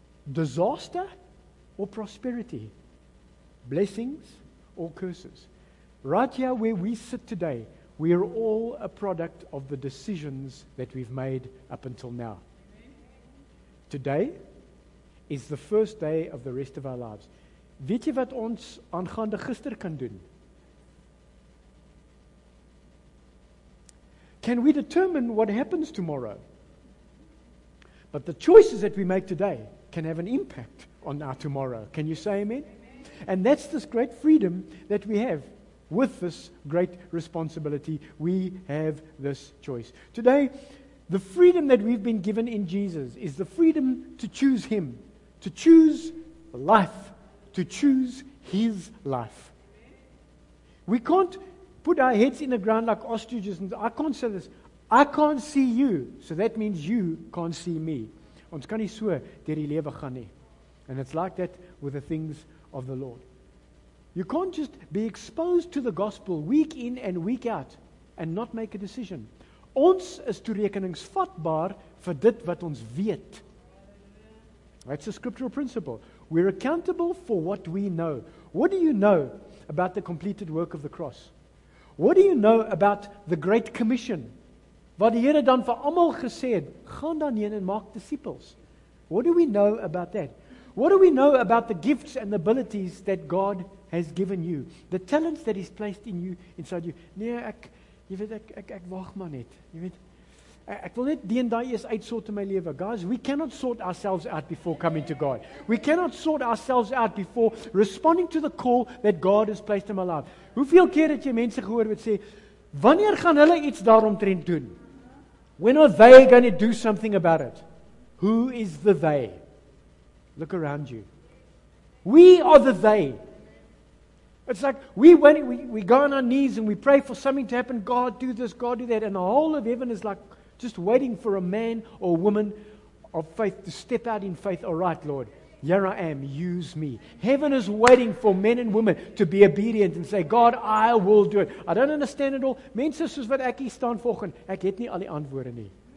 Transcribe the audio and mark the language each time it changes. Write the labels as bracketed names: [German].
[English] Disaster or prosperity? Blessings or curses? Right here where we sit today, we are all a product of the decisions that we've made up until now. Today is the first day of the rest of our lives. [Afrikaans] Weet je wat ons aangaande gister kan doen? [English] Can we determine what happens tomorrow? But the choices that we make today can have an impact on our tomorrow. Can you say amen? And that's this great freedom that we have with this great responsibility. We have this choice. Today, the freedom that we've been given in Jesus is the freedom to choose Him, to choose life, to choose His life. We can't put our heads in the ground like ostriches and I can't say this. I can't see you, so that means you can't see me. [Afrikaans] Ons kan nie so deur die lewe gaan nie. [English] And it's like that with the things of the Lord. You can't just be exposed to the gospel week in and week out and not make a decision. [Afrikaans] Ons is toerekeningsvatbaar vir dit wat ons weet. [English] That's a scriptural principle. We're accountable for what we know. What do you know about the completed work of the cross? What do you know about the Great Commission? [Afrikaans] Wat die Here dan vir almal gesê het, gaan dan heen en maak disciples. [English] What do we know about that? What do we know about the gifts and the abilities that God has given you? The talents that He's placed in you, inside you. [Afrikaans] Nee, ek wag maar net. Jy weet, ek wil net die en die eers uitsort in my lewe. [English] Guys, we cannot sort ourselves out before coming to God. We cannot sort ourselves out before responding to the call that God has placed in my life. [Afrikaans] Hoeveel keer het jy mense gehoor wat sê, wanneer gaan hulle iets daaromtrent doen? [English] When are they going to do something about it? Who is the they? Look around you. We are the they. It's like we go on our knees and we pray for something to happen. God, do this, God, do that. And the whole of heaven is like just waiting for a man or a woman of faith to step out in faith. All right, Lord, here I am. Use me. Heaven is waiting for men and women to be obedient and say, God, I will do it. I don't understand it all. [Afrikaans] Mense soos wat ek hier staan volgende, ek het nie al die antwoorde nie.